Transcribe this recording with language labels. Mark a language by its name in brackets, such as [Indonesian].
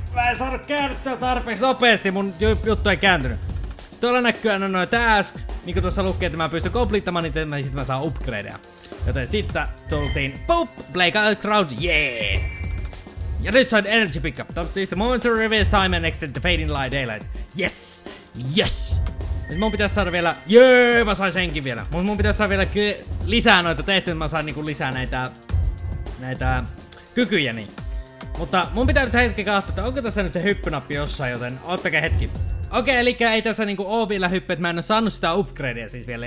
[Finnish] Mä en saanut kääntää tarpeeksi nopeesti, mun juttu ei kääntynyt. Tuolla näkyy aina noin tasks, niinku tuossa lukee, että mä pystyn komplittamaan, niin mä sit mä saan upgradeja. Joten sitten tultiin, poop, Blake Alex Crowd, yeah! Ja nyt sain [English] energy pickup, that's just a momentary reverse time and extend the fading light daylight. Yes! Yes! [Finnish] Nyt mun pitäis saada vielä, jee, mä sain senkin vielä. Mut mun pitäis saada vielä lisää noita tehtyä, että mä saan niinku lisää näitä kykyjä niin. Mutta mun pitää nyt hetki katsoa, että onko tässä nyt se hyppynappi jossain, joten ottakaa hetki. Okei, elikkä ei tässä niinku oo vielä hyppy, että mä en oo saanut sitä upgradea siis vielä.